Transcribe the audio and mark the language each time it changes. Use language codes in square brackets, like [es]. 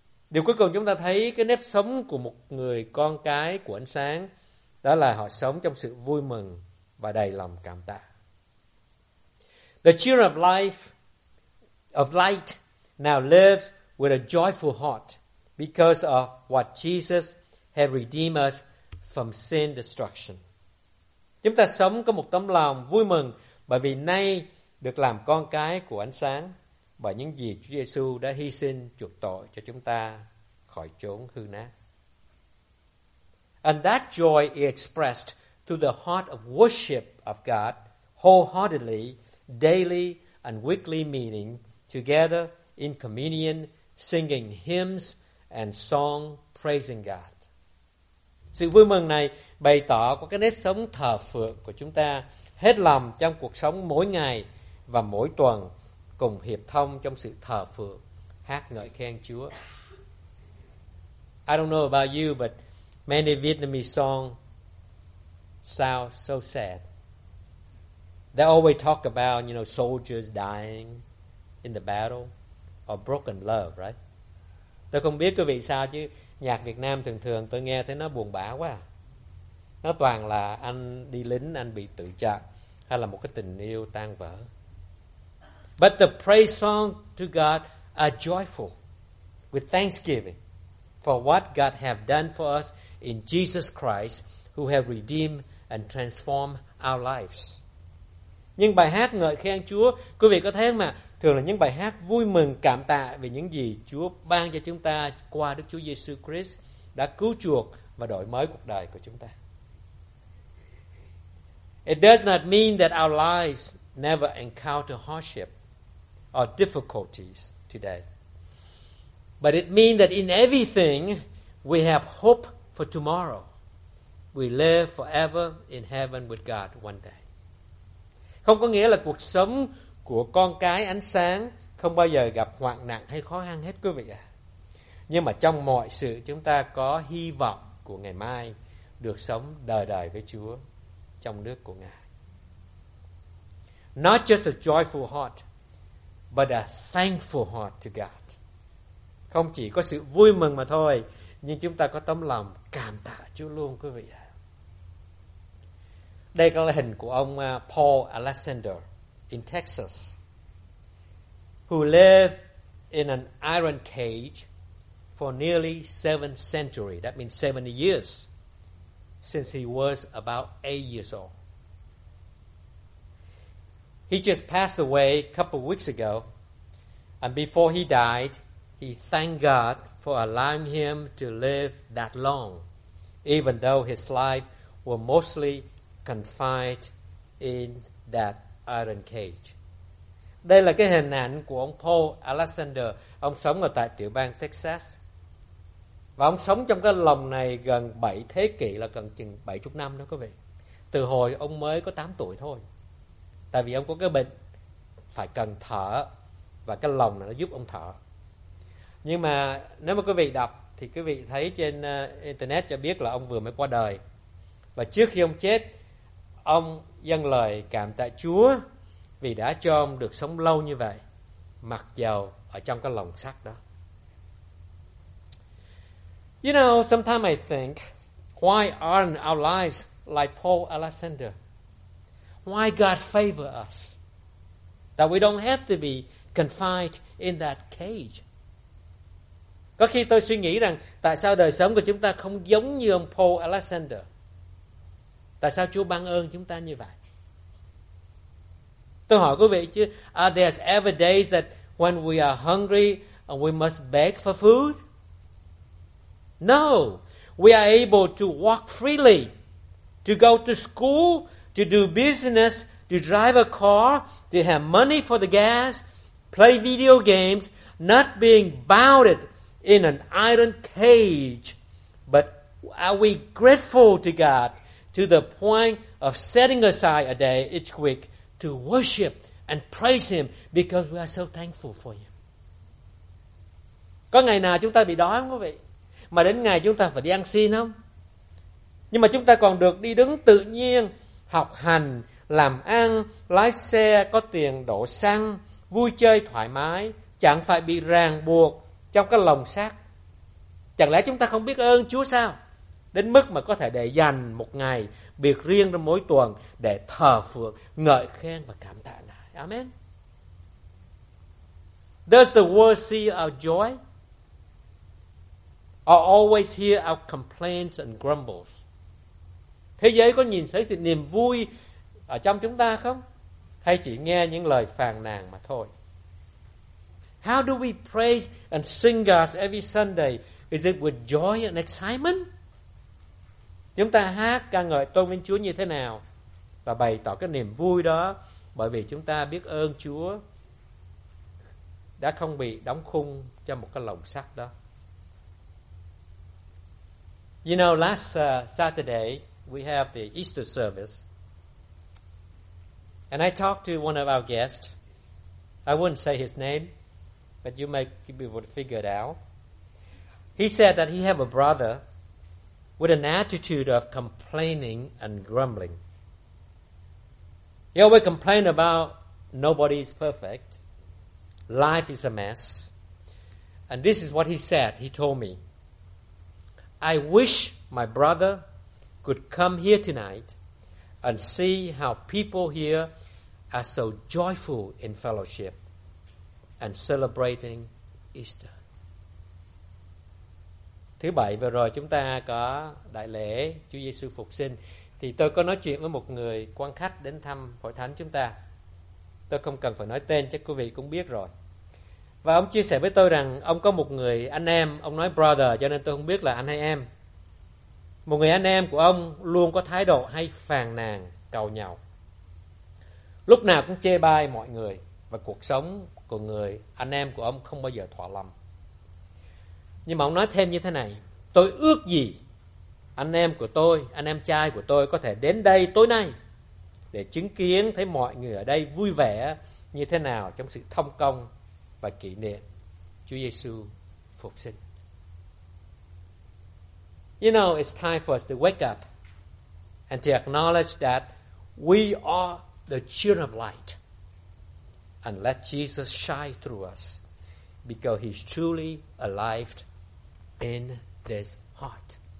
[vi] Điều cuối cùng chúng ta thấy cái nếp sống của một người con cái của ánh sáng, đó là họ sống trong sự vui mừng và đầy lòng cảm tạ. [en] The cheer of life, of light, now lives with a joyful heart because of what Jesus has redeemed us from sin destruction. [vi] Chúng ta sống có một tấm lòng vui mừng bởi vì nay được làm con cái của ánh sáng bởi những gì Chúa Giêsu đã hy sinh chuộc tội cho chúng ta khỏi chốn hư nát. [en] And that joy is expressed through the heart of worship of God wholeheartedly, daily and weekly meeting together in communion, singing hymns and song praising God. [vi] Sự vui mừng này bày tỏ qua cái nếp sống thờ phượng của chúng ta hết lòng trong cuộc sống mỗi ngày và mỗi tuần, cùng hiệp thông trong sự thờ phượng, hát ngợi khen Chúa. [en] I don't know about you, but many Vietnamese songs sound so sad. They always talk about, you know, soldiers dying in the battle or broken love, right? [vi] Tôi không biết quý vị sao chứ nhạc Việt Nam thường thường tôi nghe thấy nó buồn bã quá. Nó toàn là anh đi lính, anh bị tự trận, hay là một cái tình yêu tan vỡ. [en] But the praise song to God are joyful with thanksgiving for what God have done for us in Jesus Christ, who have redeemed and transformed our lives. [vi] Nhưng bài hát ngợi khen Chúa, quý vị có thấy không ạ? Thường là những bài hát vui mừng cảm tạ vì những gì Chúa ban cho chúng ta qua Đức Chúa Giêsu Christ đã cứu chuộc và đổi mới cuộc đời của chúng ta. [en] It does not mean that our lives never encounter hardship or difficulties today. But it means that in everything we have hope for tomorrow. We live forever in heaven with God one day. [vi] Không có nghĩa là cuộc sống của con cái ánh sáng không bao giờ gặp hoạn nạn hay khó khăn hết, quý vị ạ. Nhưng mà trong mọi sự chúng ta có hy vọng của ngày mai được sống đời đời với Chúa trong nước của Ngài. [en] Not just a joyful heart, but a thankful heart to God. [vi] Không chỉ có sự vui mừng mà thôi, nhưng chúng ta có tấm lòng cảm tạ Chúa luôn, quý vị ạ. Đây có là hình của ông [en] Paul Alexander in Texas, who lived in an iron cage for nearly 7 centuries. That means 70 years since he was about 8 years old. He just passed away a couple weeks ago, and before he died, he thanked God for allowing him to live that long, even though his life was mostly confined in that iron cage. [vi] Đây là cái hình ảnh của ông Paul Alexander. Ông sống ở tại tiểu bang Texas. Và ông sống trong cái lồng này gần 7 thế kỷ, là gần chừng 70 năm đó quý vị. Từ hồi ông mới có 8 tuổi thôi. Tại vì ông có cái bệnh phải cần thở, và cái lồng này nó giúp ông thở. Nhưng mà nếu mà quý vị đọc thì quý vị thấy trên internet cho biết là ông vừa mới qua đời. Và trước khi ông chết, ông dâng lời cảm tạ Chúa vì đã cho ông được sống lâu như vậy, mặc dầu ở trong cái lồng sắt đó. [en] You know, sometimes I think, why aren't our lives like Paul Alexander? Why God favor us? That we don't have to be confined in that cage. [vi] Có khi tôi suy nghĩ rằng tại sao đời sống của chúng ta không giống như ông Paul Alexander? Tại sao Chúa ban ơn chúng ta như vậy? Tôi hỏi quý vị chứ, [en] are there ever days that when we are hungry and we must beg for food? No, we are able to walk freely, to go to school, to do business, to drive a car, to have money for the gas, play video games, not being bounded in an iron cage. But are we grateful to God to the point of setting aside a day each week to worship and praise him because we are so thankful for him? [vi] Có ngày nào chúng ta bị đói không quý vị? Mà đến ngày chúng ta phải đi ăn xin không? Nhưng mà chúng ta còn được đi đứng tự nhiên, học hành, làm ăn, lái xe, có tiền đổ xăng, vui chơi thoải mái, chẳng phải bị ràng buộc trong cái lồng sắt. Chẳng lẽ chúng ta không biết ơn Chúa sao? Đến mức mà có thể để dành một ngày biệt riêng trong mỗi tuần để thờ phượng, ngợi khen và cảm tạ Ngài. Amen. [en] Does the world see our joy? Or always hear our complaints and grumbles? [vi] Thế giới có nhìn thấy sự niềm vui ở trong chúng ta không? Hay chỉ nghe những lời phàn nàn mà thôi? [en] How do we praise and sing God every Sunday? Is it with joy and excitement? [vi] Chúng ta hát ca ngợi tôn vinh Chúa như thế nào và bày tỏ cái niềm vui đó bởi vì chúng ta biết ơn Chúa đã không bị đóng khung cho một cái lồng sắt đó. [en] You know, last Saturday we have the Easter service and I talked to one of our guests. I wouldn't say his name, but you may be able to figure it out. He said that he have a brother with an attitude of complaining and grumbling. He always complained about nobody is perfect, life is a mess. And this is what he said, he told me. I wish my brother could come here tonight and see how people here are so joyful in fellowship and celebrating Easter. [vi] Thứ bảy vừa rồi chúng ta có đại lễ Chúa Giêsu phục sinh, thì tôi có nói chuyện với một người quan khách đến thăm hội thánh chúng ta. Tôi không cần phải nói tên, chắc quý vị cũng biết rồi. Và ông chia sẻ với tôi rằng ông có một người anh em, ông nói brother cho nên tôi không biết là anh hay em. Một người anh em của ông luôn có thái độ hay phàn nàn, cầu nhau. Lúc nào cũng chê bai mọi người và cuộc sống của người anh em của ông không bao giờ thỏa lòng. Nhưng mà ông nói thêm như thế này: tôi ước gì anh em của tôi, anh em trai của tôi có thể đến đây tối nay để chứng kiến thấy mọi người ở đây vui vẻ như thế nào trong sự thông công và kỷ niệm Chúa Giêsu phục sinh. [en] You know, it's time for us to wake up and to acknowledge that we are the children of light and let Jesus shine through us because he's truly alive in this heart.